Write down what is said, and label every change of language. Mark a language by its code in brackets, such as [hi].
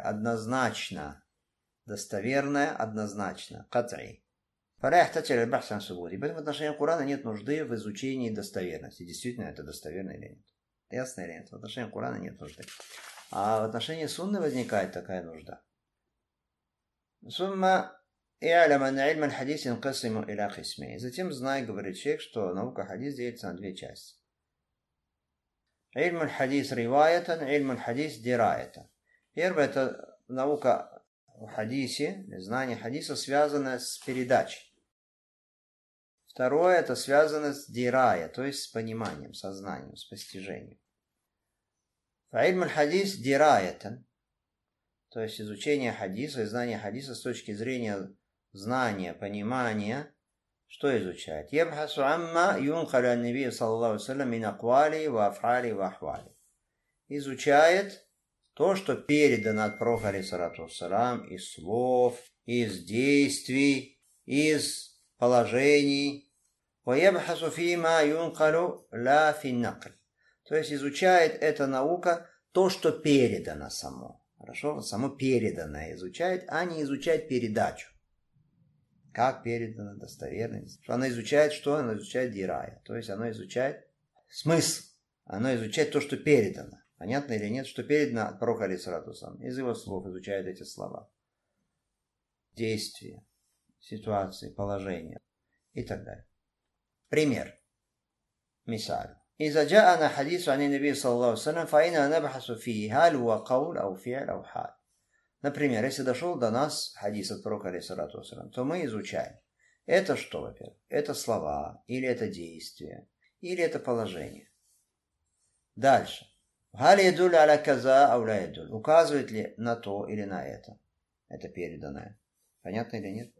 [ru] Однозначно, достоверная, однозначно, кат'и. Поэтому в отношении Кур'ана нет нужды в изучении достоверности, действительно это достоверно или нет. Ясно или нет? В отношении Кур'ана нет нужды. А в отношении сунны возникает такая нужда. [ar] ثم اعلم ان علم الحديث ينقسم الى قسمين. [ru] Затем знай, говорит шейх, что наука хадис делится на две части. [ar] علم الحديث روايه, علم الحديث درايه. [ru] Первое это наука о хадисе, знание хадиса связано с передачей. Второе это связано с дирая, то есть с пониманием, сознанием, с постижением. [ar] علم الحديث درايه. [ru] То есть изучение хадиса и знание хадиса с точки зрения знания, понимания, что изучает? [ar] يبحث عما ينقل عن النبي صلى الله عليه وسلم من أقواله وأفعاله وأحواله. [ru] Изучает то, что передано от пророка алейхиссалату вассалям, из слов, из действий, из положений. [ar] ويبحث فيما ينقل لا في النقل. [ru] То есть изучает эта наука то, что передано само. Хорошо, само переданное изучает, а не изучает передачу. Как передано, достоверность. Она изучает что? Она изучает дирая. То есть она изучает смысл. Она изучает то, что передано. Понятно или нет, что передано от пророка алейхиссалату вассалям. Из его слов изучает эти слова. Действия, ситуации, положения и так далее. Пример. Мисаль. [ar] إذا جاءنا حديث عن النبي صلى الله عليه وسلم فإننا نبحث فيه هل هو قول أو فعل أو حال. [ru] Например, если дошел до нас хадис от пророка алейхиссалату вассалям, то мы изучаем. Это что, во-первых? Это слова, или это действие, или это положение. Дальше. [ar] هل يدل على كذا أو لا يدل? [ru] Указывает ли на то или на это? Это переданное. Понятно или нет?